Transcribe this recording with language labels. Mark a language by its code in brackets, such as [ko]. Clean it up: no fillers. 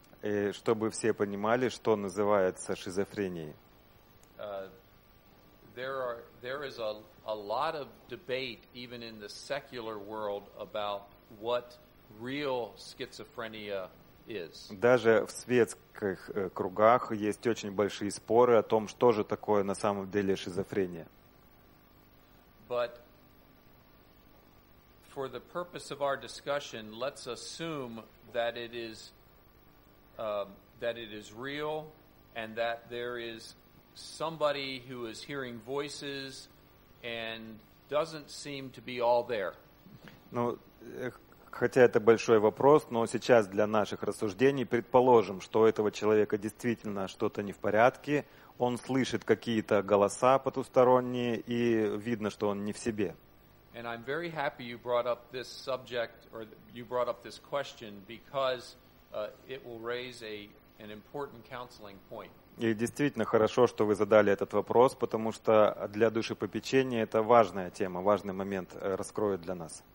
[ru] И чтобы все понимали, что называется шизофренией. [en] There is a lot of debate even in the secular world about what real schizophrenia is. [ru] Даже в светских кругах есть очень большие споры о том, что же такое на самом деле шизофрения. [en] But for the purpose of our discussion, let's assume that it is real and that there is somebody who is hearing voices and doesn't seem to be all there. [ru] Ну, хотя это большой вопрос, но сейчас для наших рассуждений предположим, что у этого человека действительно что-то не в порядке, он слышит какие-то голоса потусторонние и видно, что он не в себе. [en] And I'm very happy you brought up this subject or you brought up this question because it will raise an important counseling point. [ru] И действительно хорошо, что вы задали этот вопрос, потому что для душепопечения это важная тема, важный момент раскроет для нас.